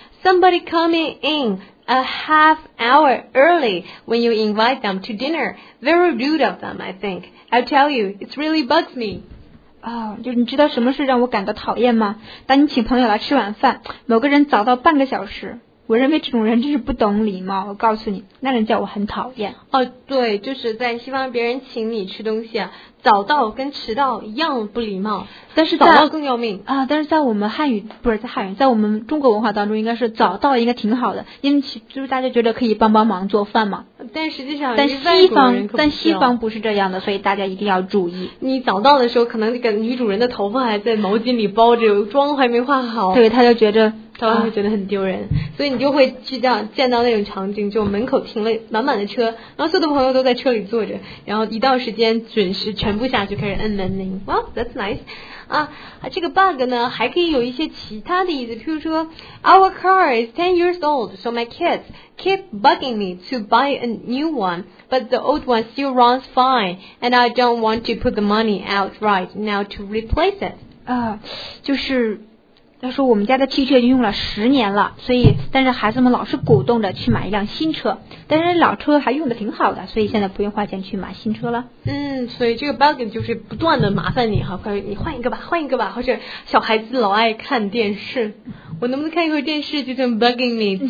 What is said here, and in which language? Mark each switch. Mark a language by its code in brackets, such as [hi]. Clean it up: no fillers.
[en] somebody coming in a half hour early when you invite them to dinner， very rude of them， I think I'll tell you it really bugs me。 [zh] 就是你知道什么事让我感到讨厌吗？当你请朋友来吃晚饭，某个人早到半个小时，我认为这种人真是不懂礼貌，我告诉你，那人叫我很讨厌。对，就是在西方别人请你吃东西，早到跟迟到一样不礼貌，但是早到更要命。但是在我们汉语，不是在汉语，在我们中国文化当中，应该是早到应该挺好的，因为就是大家觉得可以帮帮忙做饭嘛。但实际上，但西方不是这样的，所以大家一定要注意。你早到的时候，可能那个女主人的头发还在毛巾里包着，妆还没化好，对，她就觉得。他会觉得很丢人，所以你就会去这样见到那种场景，就门口停了满满的车，然后所有的朋友都在车里坐着，然后一到时间准时全部下去开始摁门铃。 [en] Well, that's nice. [zh] 这个 bug 呢还可以有一些其他的意思，譬如说 [en] ，Our car is 10 years old, so my kids keep bugging me to buy a new one, but the old one still runs fine, and I don't want to put the money out right now to replace it. [zh] 就是。他说我们家的汽车已经用了十年了，所以但是孩子们老是鼓动着去买一辆新车，但是老车还用的挺好的，所以现在不用花钱去买新车了。所以这个 bug 就是不断的麻烦你，好，快你换一个吧，换一个吧，或者小孩子老爱看电视，我能不能看一会儿电视就这么 bugging me？